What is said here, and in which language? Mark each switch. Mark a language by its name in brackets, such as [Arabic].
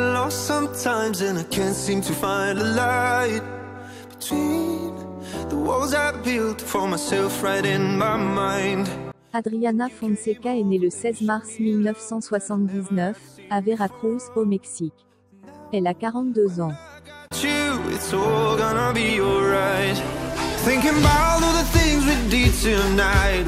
[English] Sometimes and I can't seem to find a light between the walls I built for myself right in my mind. [French] Adriana Fonseca est née le 16 mars 1979 à Veracruz au Mexique. Elle a 42 ans. [English] It's all gonna be alright. Thinking about all the things we did tonight.